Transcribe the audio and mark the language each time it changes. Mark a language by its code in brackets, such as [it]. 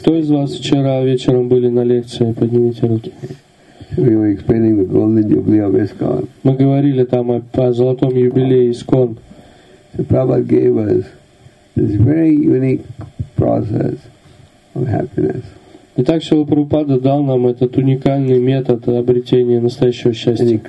[ru] Кто из вас вчера вечером были на лекции? Поднимите руки. [en] We were explaining the golden jubilee of ISKCON. [ru] Мы говорили там о золотом юбилее ISKCON. [en] So Prabhupada gave us this very unique process of happiness. [ru] Итак, Шрила Прабхупада дал нам этот уникальный метод обретения настоящего счастья.